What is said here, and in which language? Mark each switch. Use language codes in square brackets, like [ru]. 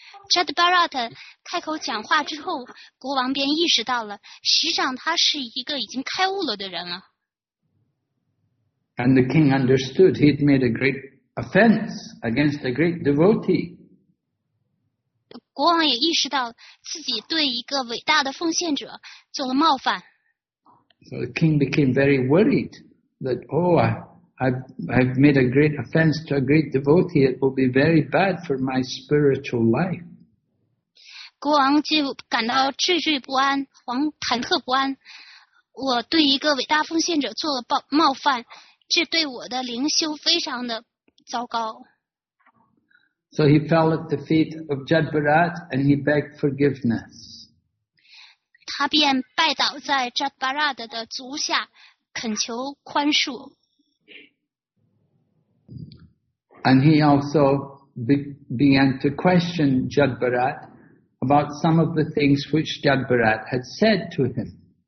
[zh] Jad Bharat 开口讲话之后，国王便意识到了，实际上他是一个已经开悟了的人了。 [en] And the king understood he'd made a great offense against a great devotee. [zh] 国王也意识到自己对一个伟大的奉献者做了冒犯。 [en] So the king became very worried that, oh, I've made a great offense to a great devotee. It will be very bad for my spiritual life. [zh] 国王就感到惴惴不安，忐忑不安。我对一个伟大奉献者做了冒犯，这对我的灵修非常的糟糕。 [en] So he fell at the feet of Jad Bharat and he begged forgiveness. [zh] 他便拜倒在 Jad Bharat 的足下，恳求宽恕。 [en] And he also began to question Jad Bharat about some of the things which Jad Bharat had said to him.